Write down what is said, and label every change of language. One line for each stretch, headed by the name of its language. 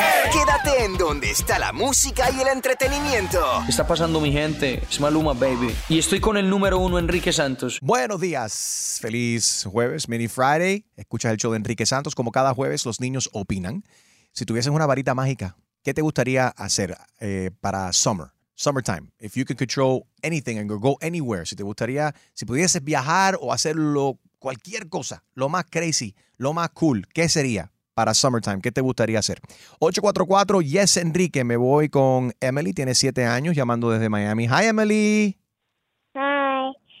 Spanish: Quédate en donde está la música y el entretenimiento. Está pasando mi gente, es Maluma, baby. Y estoy con el número uno, Enrique Santos. Buenos días, feliz jueves, mini Friday. Escuchas el show de Enrique Santos. Como cada jueves, los niños opinan. Si tuvieses una varita mágica, ¿qué te gustaría hacer para summer?
English: Summertime, if you could control anything and go anywhere.
Spanish: Si pudieses viajar o hacerlo cualquier cosa, lo más crazy, lo más cool, ¿qué sería? Para summertime, ¿qué te gustaría hacer? 844, yes, Enrique, me voy con Emily, tiene 7 años, llamando desde Miami.
English: Hi, Emily. Hi.